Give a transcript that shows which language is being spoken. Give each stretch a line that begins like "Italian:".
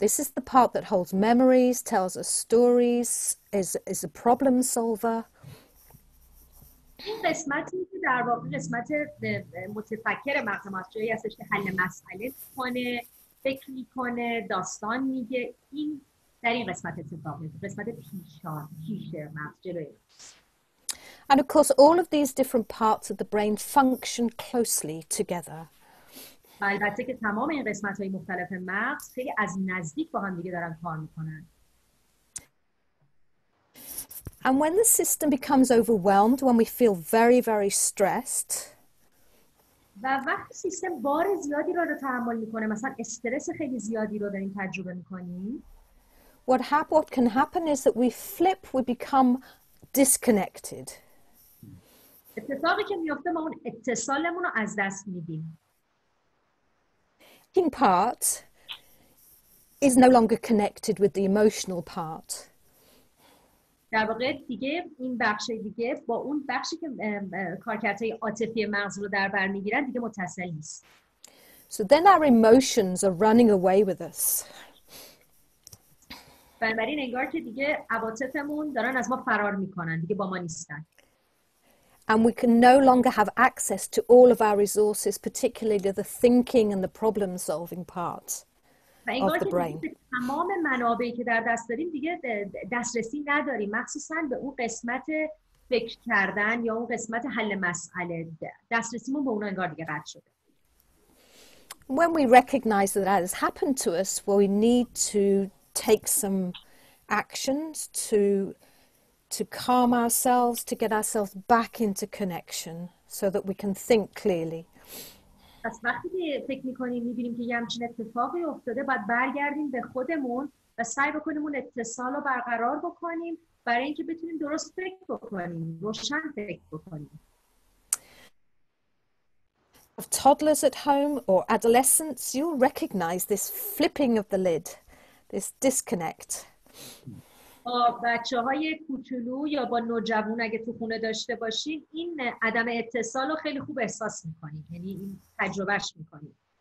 English: This is the part that holds memories, tells us stories, is a problem solver.
Persian: این قسمتی که در واقع قسمت متفکر مغز ماست، جایی هستش که حل مسئله کنه، فکر میکنه، داستان میگه. این در این قسمت اتفاق میفته، قسمت پیشان، پیش مغز، جلوی مغز.
English: And of course all of these different parts of the brain function closely together.
Persian: البته که تمام این قسمت های مختلف مغز خیلی از نزدیک با هم دیگه دارن کار میکنن.
English: And when the system becomes overwhelmed, when we feel very, very stressed,
Persian: و وقتی سیستم بار زیادی رو تحمل میکنه، مثلا استرس خیلی زیادی رو داریم تجربه میکنیم،
English: what can happen is that we become disconnected.
Persian: اتفاقی که میفته ما اون اتصالمون رو از دست میدیم.
English: Thinking part is no longer connected with the emotional part.
Persian: در واقع دیگه این بخش دیگه با اون بخشی که کارکردهای عاطفی مغز رو در بر میگیرن دیگه متصل نیست.
English: So then our emotions are running away with us.
Persian: بنابراین انگار که دیگه عواطفمون دارن از ما فرار میکنن، دیگه با ما نیستن.
English: And we can no longer have access to all of our resources, particularly the thinking and the problem solving part of the brain.
Persian: تمام منابعی که در دست داریم دیگه دسترسی نداریم، مخصوصا به اون قسمت فکر کردن یا اون قسمت حل مسئله دسترسیمون به اون انگار دیگه قطع شده.
English: When we recognize that that has happened to us, well, we need to take some actions to calm ourselves, to get ourselves back into connection so that we can think clearly.
Persian: پس وقتی فکر میکنیم میبینیم که یه همچین اتفاقی افتاده، باید برگردیم به خودمون و سعی بکنیم اون اتصال رو برقرار بکنیم برای اینکه بتونیم درست فکر بکنیم، روشن فکر بکنیم.
English: Of toddlers at home or adolescents, you'll recognize this flipping of the lid, this disconnect.
Persian: با بچه های کوچولو یا با نوجوان اگه تو خونه داشته باشین این عدم اتصال رو خیلی خوب احساس میکنین، یعنی این تجربهش میکنین.